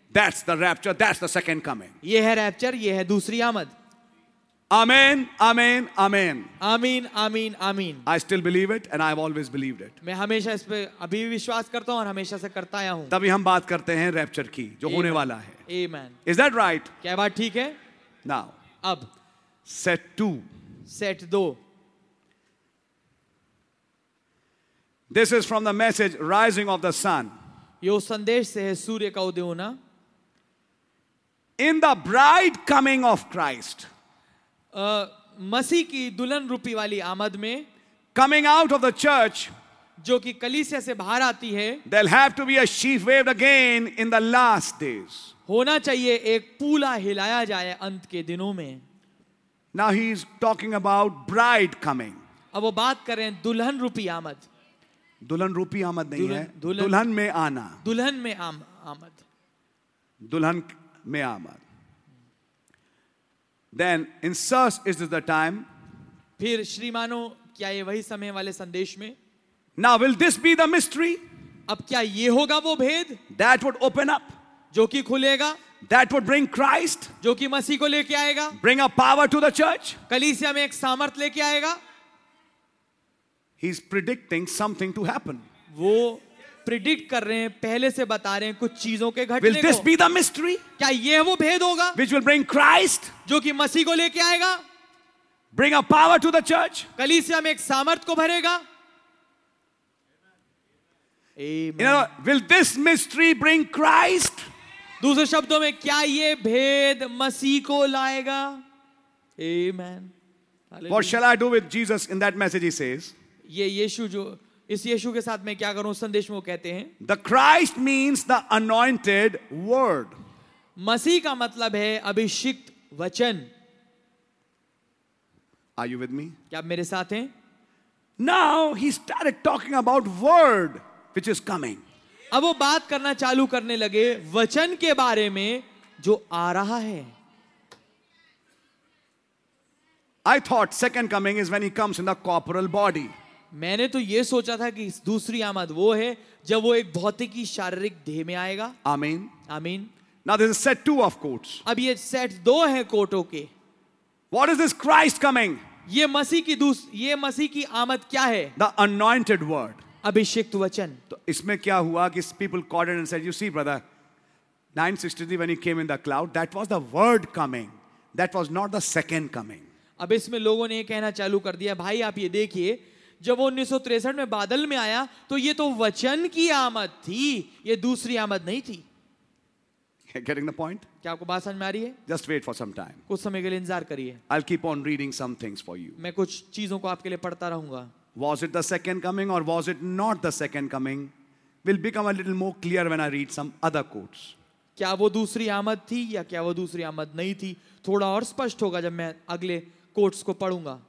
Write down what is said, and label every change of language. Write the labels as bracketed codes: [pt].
[en] That's the rapture, that's the second coming. [hi] ये है rapture, ये है दूसरी आमद. [en] Amen, amen, amen. Amen, amen, amen. I still believe it and I've always believed it. [hi] मैं हमेशा इस पे अभी भी विश्वास करता हूं और हमेशा से करता आया हूं. तभी हम बात करते हैं रैप्चर की, जो होने वाला है. [en] Amen. Is that right? [hi] क्या बात ठीक है? [en] Now. [hi] अब. [en] Set two. [hi] Set दो. [en] This is from the message Rising of the Sun. [hi] यो संदेश से है सूर्य का उदय होना. [en] In the bride coming of Christ. [hi] मसीह की दुल्हन रूपी वाली आमद में, [en] coming out of the church, [hi] जो कि कलीसिया से बाहर आती है, [en] they'll have to be a sheaf waved again in the last days. [hi] होना चाहिए एक पूला हिलाया जाए अंत के दिनों में. [en] Now he is talking about bride coming. [hi] अब वो बात कर रहे हैं दुल्हन रूपी आमद. दुल्हन रूपी आमद नहीं है, दुल्हन में आना. दुल्हन में आमद. दुल्हन में आमद. [en] Then in Sirs, is this the time? [hi] फिर श्रीमानो, क्या ये वही समय वाले संदेश में? [en] Now will this be the mystery? [hi] अब क्या ये होगा वो भेद? [en] That would open up. [hi] जो कि खुलेगा. [en] That would bring Christ. [hi] जो कि मसीह को लेके आएगा. [en] Bring a power to the church. [hi] कलीसिया में एक सामर्थ लेके आएगा. [en] He's predicting something to happen. [hi] वो प्रिडिक्ट कर रहे हैं, पहले से बता रहे हैं कुछ चीजों के घटने को. [en] Will this be the mystery? [hi] क्या ये वो भेद होगा? [en] Which will bring Christ? [hi] जो कि मसीह को लेके आएगा. [en] Bring a power to the church? [hi] कलीसिया में एक सामर्थ को भरेगा. [en] Amen. You know, will this mystery bring Christ? [hi] दूसरे शब्दों में, क्या ये भेद मसीह को लाएगा? [en] Amen. What shall I do with Jesus in that message? He says. [hi] ये यीशु जो इस यीशु के साथ मैं क्या करूं संदेश में वो कहते हैं. [en] The Christ means the anointed word. [hi] मसीह का मतलब है अभिषिक्त वचन. [en] Are you with me? [hi] क्या आप मेरे साथ हैं? [en] Now he started talking about word which is coming. [hi] अब वो बात करना चालू करने लगे वचन के बारे में जो आ रहा है. [en] I thought second coming is when he comes in the corporal body. [hi] मैंने तो ये सोचा था कि दूसरी आमद वो है जब वो एक भौतिकी शारीरिक देह में आएगा. [en] Amen. Amen. Now there's a set two of quotes. [hi] अब ये सेट दो हैं कोटों के. [en] What is this Christ coming? [hi] ये मसीह की आमद क्या है? [en] The anointed word. [hi] अभिषिक्त वचन. तो इसमें क्या हुआ कि [en] people called it and said, you see brother, 963 when he came in the cloud, that was the word coming. That was not the second coming. [hi] अब इसमें लोगों ने ये कहना चालू कर दिया, भाई आप ये देखिए, जब वो 1963 में बादल में आया, तो ये तो वचन की आमद थी, ये दूसरी आमद नहीं थी. [en] Getting the point? [hi] क्या आपको बात समझ में आ रही है? [en] Just wait for some time. [hi] कुछ समय के लिए इंतजार करिए. [en] I'll keep on reading some things for you. [hi] मैं कुछ चीजों को आपके लिए पढ़ता रहूंगा. [en] Was it the second coming or was it not the second coming? Will become a little more clear when I read some other quotes. [hi] क्या वो दूसरी आमद थी या क्या वो दूसरी आमद नहीं थी? थोड़ा और स्पष्ट होगा जब मैं अगले कोट्स को पढ़ूंगा.